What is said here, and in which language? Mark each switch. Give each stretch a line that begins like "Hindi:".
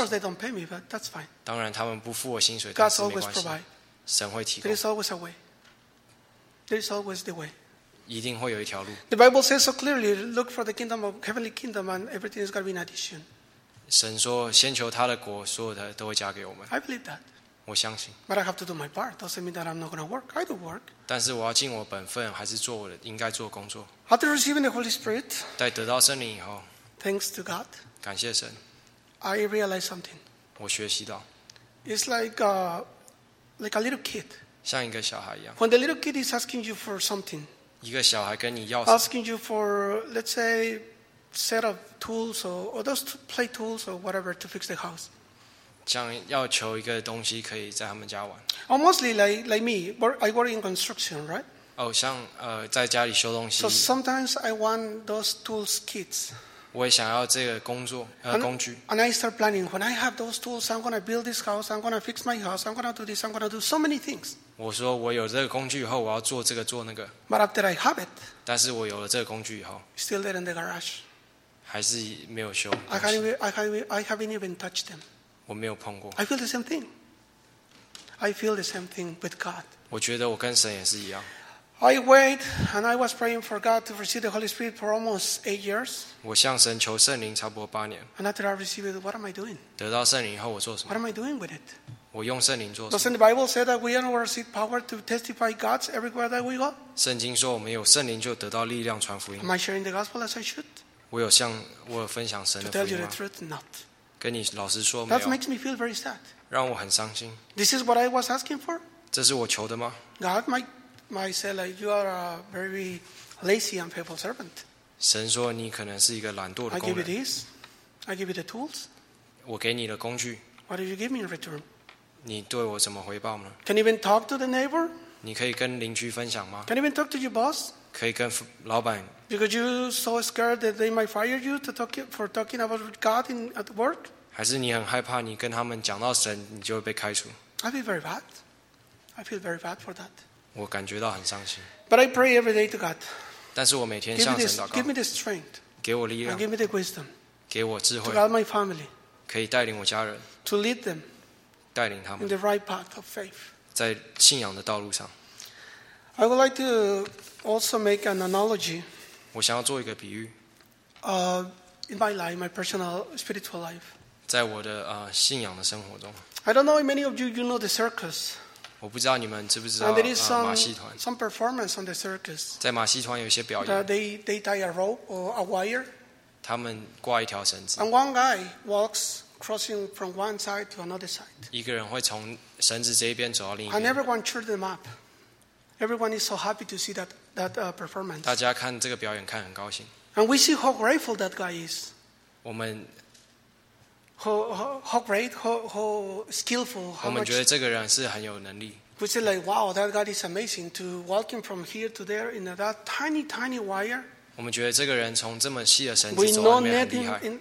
English: Of course, they don't pay me, but that's fine.
Chinese: 当然，他们不付我薪水，但是没关系。
English: God's always provide.
Chinese: 神会提供。
English: There is always a way. There is always the way.
Chinese: 一定会有一条路。
English: The Bible says so clearly, look for the kingdom of heavenly kingdom, and everything is going to be in addition.
Chinese: 神说，先求他的国，所有的都会加给我们。
English: I believe that.
Chinese: 我相信。
English: But I have to do my part. Doesn't mean that I'm not going to work. I do work.
Chinese: 但是我要尽我本分，还是做我的应该做的工作。
English: After receiving the Holy Spirit,
Chinese: 在得到圣灵以后
English: ，Thanks to God.
Chinese: 感谢神。
English: I realize something.
Chinese: 我学习到。
English: It's like a little kid.
Chinese: 像一个小孩一样。
English: When the little kid is asking you for something.
Chinese: 一个小孩跟你要
English: asking you for, let's say, set of tools or those play tools or whatever to fix the house.
Chinese: 像要求一个东西可以在他们家玩。
English: Oh, mostly like me, I work in construction, right?
Chinese: 哦，像在家里修东西。
English: So sometimes I want those tools kits.
Chinese: 我也想要这个工作工具。
English: And I start planning when I have those tools, I'm gonna build this house, I'm gonna fix my house, I'm gonna do this, I'm gonna do so many things.
Chinese: 我说我有这个工具以后，我要做这个做那个。
English: But after I have it,
Chinese: 但是我有了这个工具以后
English: ，still there in the garage,
Chinese: 还是没有修。
English: I haven't even touched them.
Chinese: 我没有碰过。
English: I feel the same thing. I feel the same thing with God.
Chinese: 我觉得我跟神也是一样。
English: I wait and I was praying for God to receive the Holy Spirit for almost 8 years.
Chinese: 我向神求圣灵差不多八年。
English: And after I received it, what am I doing?
Chinese: 得到圣灵以后我做什么
English: ？What am I doing with it?
Chinese: 我用圣灵做什么。
English: Doesn't the Bible say that we have received power to testify God everywhere that we go?
Chinese: 圣经说我们有圣灵就得到力量传福音。
English: Am I sharing the gospel as I should?
Chinese: 我有分享神的福音吗
English: ？To tell you the truth, not.
Chinese: 跟你老实说没有。
English: That makes me feel very sad.
Chinese: 让我很伤心。
English: This is what I was asking for?
Chinese: 这是我求的吗
English: ？God might say like you are a very lazy and faithful servant.
Chinese: 神说你可能是一个懒惰的工人。
English: I give you this. I give you the tools.
Chinese: 我给你的工具。
English: What do you give me in return?
Chinese: 你对我怎么回报呢
English: ？Can you even talk to the neighbor？
Chinese: 你可以跟邻居分享吗
English: ？Can you even talk to your boss？
Chinese: 可以跟老板
English: ？Because you're so scared that they might fire you for talking about God at work？
Chinese: 还是你很害怕你跟他们讲到神，你就会被开除
English: ？I feel very bad. I feel very bad for that.
Chinese: 我感觉到很伤心。
English: But I pray every day to God.
Chinese: 但是我每天向神祷告。
English: Give me the strength.
Chinese: 给我力量。
English: And give me the wisdom.
Chinese: 给我智慧。
English: To guide my family.
Chinese: 可以带领我家人。
English: To lead them.
Chinese: 带领他们
English: in the right path of faith.
Chinese: 在信仰的道路上
English: I would like to also make an analogy.
Chinese: 我想要做一个比喻
English: In my life, my personal spiritual life.
Chinese: 在我的信仰的生活中
English: I don't know if many of you know the circus.
Chinese: 我不知道你们知不知道
English: And there is some,
Chinese: 马戏团
English: some performance on the circus.
Chinese: 在马戏团有一些表演
English: that they tie a rope or a wire.
Chinese: 他们挂一条绳子
English: And one guy walks. Crossing from one side to another side.
Chinese: 一个人会从绳子这一边走到另一边。
English: And everyone cheered them up. Everyone is so happy to see that performance.
Chinese: 大家看这个表演看很高兴。
English: And we see how grateful that guy is.
Chinese: 我们
English: how great, how skillful.
Chinese: 我们觉得这个人是很有能力。
English: We say like, wow, that guy is amazing to walking from here to there in that tiny, tiny wire.
Chinese: 我们觉得这个人从这么细的绳子走到那边很厉害。